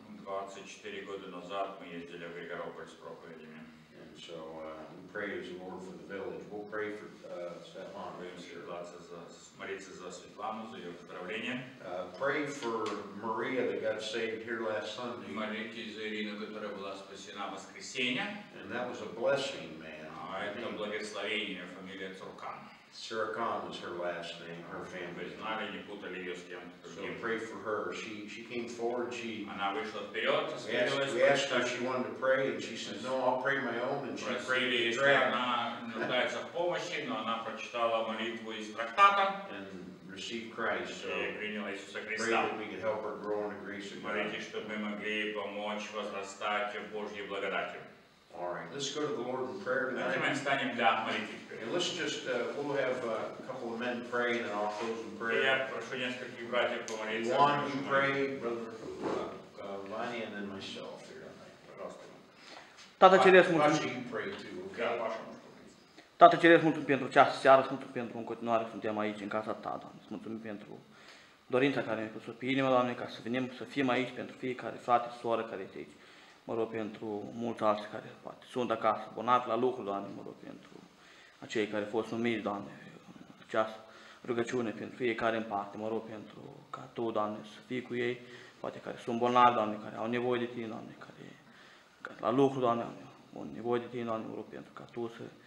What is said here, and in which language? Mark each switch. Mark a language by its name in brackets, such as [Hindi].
[Russian] 24 года назад мы ездили в Григорополь с проповедями. [English] And so we pray as the Lord for the village. We'll pray for Svetlana. [Russian] Будем молиться за Светлану, за ее выздоровление. [English] Pray for Maria that got saved here last Sunday. [Russian] Молитесь за Ирину, которая была спасена в воскресенье. [English] And that was a blessing, man. [Russian] Это благословение, фамилия Цуркан. [English] Сиракан was her last name, her family. [Russian] Знали, не путали ее с кем. [English] So we pray for her. She came forward. She. [Russian] Она вышла вперед. [English] We asked her if she wanted to pray, and she said, "No, I'll pray my own." And she prayed. [Russian] Она нуждается в помощи, но она прочитала молитву из трактата. [English] And received Christ. So. [Russian] И приняла Иисуса Христа. [English] Pray that we could help her grow in the grace of God. [Russian] Молитесь, чтобы мы могли помочь возрастать в Божьей благодати. [English] All right. Let's go to the Lord in prayer tonight. [Russian] Давайте мы встанем для молитвы. [English] And let's just, we'll have a couple of men pray, and then I'll close in prayer. [Russian] Я прошу нескольких братьев помолиться. Juan, you pray, brother Lani, and then myself here tonight. Пожалуйста. [Romanian] Tata Ceresc, mulțumim. [English] You pray too, okay? [Romanian] Tata Ceresc, mulțumim pentru această seară, mulțumim pentru în continuare, suntem aici, în casa ta, Doamne. Mulțumim pentru dorința care mi-a pus-o pe inimă, Doamne, ca să venim, să fim aici pentru fiecare frate, soră care este aici. Mă rog pentru mulți alții care poate sunt acasă, abonat la lucru, Doamne, mă rog pentru acei care au fost numiți, Doamne, această rugăciune pentru fiecare în parte, mă rog pentru ca Tu, Doamne, să fii cu ei, poate care sunt bolnavi, Doamne, care au nevoie de Tine, Doamne, care la lucru, Doamne, au nevoie de Tine, Doamne, mă rog pentru ca Tu să